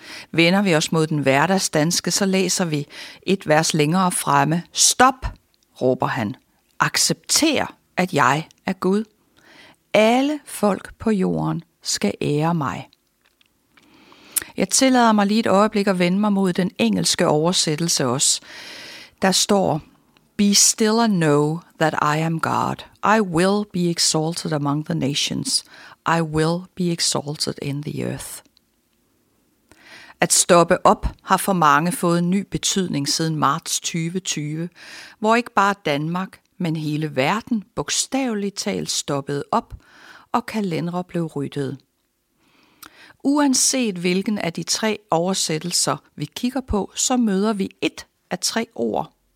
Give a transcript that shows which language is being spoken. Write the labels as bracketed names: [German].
[Danish] Vender vi os mod den hverdagsdanske, så læser vi et vers længere fremme. Stop, råber han. Accepter, at jeg er Gud. Alle folk på jorden skal ære mig. Jeg tillader mig lige et øjeblik at vende mig mod den engelske oversættelse også. Der står, [English] Be still and know that I am God. I will be exalted among the nations. I will be exalted in the earth. [Danish] At stoppe op har for mange fået en ny betydning siden marts 2020, hvor ikke bare Danmark, men hele verden bogstaveligt talt stoppede op, og kalendere blev ryddet. Uanset hvilken af de tre oversættelser, vi kigger på, så møder vi et af tre ord.